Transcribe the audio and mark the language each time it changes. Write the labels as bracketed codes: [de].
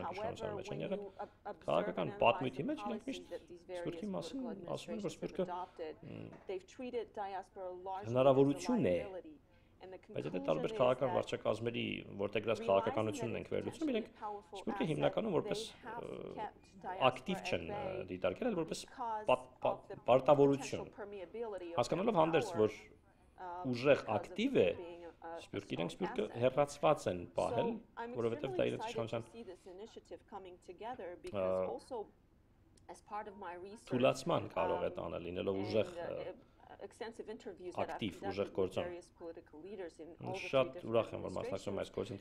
[en] However, when you observe and analyze the policies that these various administrations have adopted, they've treated diaspora largely as a liability. [hy] Բայց եթե տարբեր քաղաքական վարչակազմերի որտեգրած քաղաքականությունն ենք վերլուծում, իրենք սկսել են հիմնականում որպես ակտիվ չեն դիտարկել, այլ որպես պարտավորություն, հասկանալով հանդերձ, որ ուժեղ ակտիվ է, սպյուրկ իրենք սպյուրկը հեռացված են պահել, որովհետև դա իրենց իշխանության թուլացման կարող է տանել, լինելով ուժեղ [en] extensive interviews that I've done with various political leaders in all the three different administrations.